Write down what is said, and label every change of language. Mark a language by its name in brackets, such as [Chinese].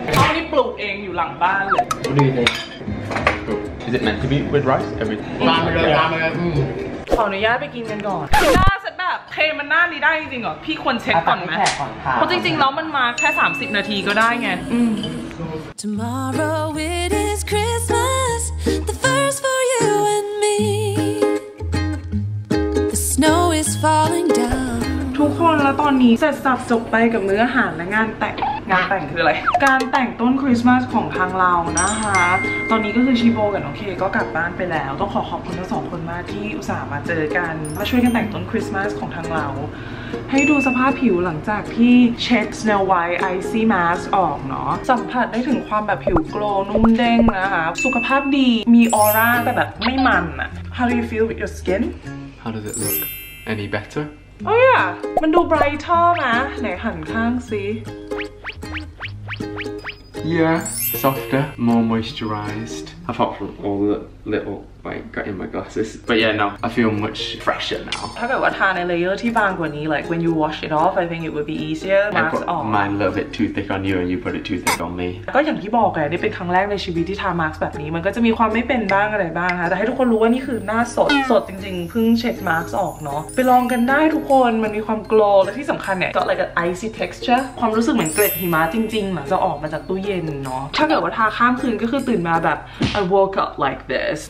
[Thai] ข้าวนี่ปลูกเองอยู่หลังบ้านเลย ดีเลย [English] Is it meant to be with rice every [Thai] มาเลยมาเลย ขออนุญาตไปกินกันก่อนหน้าเสร็จแบบเทมันหน้านี้ได้จริงเหรอพี่ควรเช็คก่อนไหมเพราะจริงๆแล้วมันมาแค่30นาทีก็ได้ไง [English] Tomorrow it is Christmas The first for you and me The snow is falling down [Thai] ทุกคนแล้วตอนนี้เสร็จสับจบไปกับมื้ออาหารและงานแต่ง งานแต่งคืออะไร การแต่งต้นคริสต์มาสของทางเรานะคะตอนนี้ก็คือชิโบกับน้องเคก็กลับบ้านไปแล้วต้องขอขอบคุณทั้งสองคนมากที่อุตส่าห์มาเจอกันมาช่วยกันแต่งต้นคริสต์มาสของทางเราให้ดูสภาพผิวหลังจากที่เช็ค Snow White Icy Mask ออกเนาะสัมผัสได้ถึงความแบบผิวโกลว์นุ่มเด้งนะคะสุขภาพดีมีออร่าแต่แบบไม่มันอะ [English] How do you feel with your skin? How does it look? Any better? Oh yeah [Thai] มันดู brighter นะไหนหันข้างสิ [English] Yeah, softer, more moisturized. Apart from all the little like got in my glasses, but yeah, no, I feel much fresher now. [Thai] ถ้าเกิดว่าทาในเลเยอร์ที่บางกว่านี้ [English] like when you wash it off, I think it would be easier. Mask off. Mine a little bit too thick on you, and you put it too thick on me. [Thai] ก็อย่างที่บอกไงนี่เป็นครั้งแรกในชีวิตที่ทามาสก์แบบนี้มันก็จะมีความไม่เป็นบ้างอะไรบ้างนะแต่ให้ทุกคนรู้ว่านี่คือหน้าสดสดจริงๆเพิ่งเช็ดมาสก์ออกเนาะไปลองกันได้ทุกคนมันมีความโกลว์และที่สำคัญเนี่ย [English] got like an icy texture [Thai] ความรู้สึกเหมือนเกล็ดหิมะจริงๆหลังจากออกมาจากตู้เย็นถ้าเกิดว่าทาข้ามคืนก็คือตื่นมาแบบ [English] I woke up like this